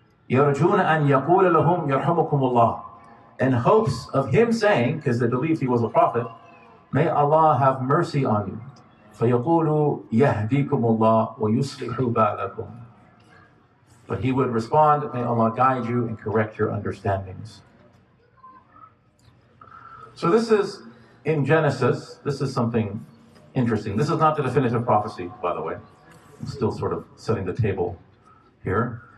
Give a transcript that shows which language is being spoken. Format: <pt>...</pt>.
<ar>يرجون أن يقول لهم يرحمكم الله.</ar> <en>In hopes of him saying, because they believed he was a prophet, may Allah have mercy on you.</en> <ar>فيقول يهديكم الله ويصلح بالكم.</ar> <en>But he would respond, may Allah guide you and correct your understandings. So this is in Genesis. This is something interesting. This is not the definitive prophecy, by the way. I'm still sort of setting the table here.</en>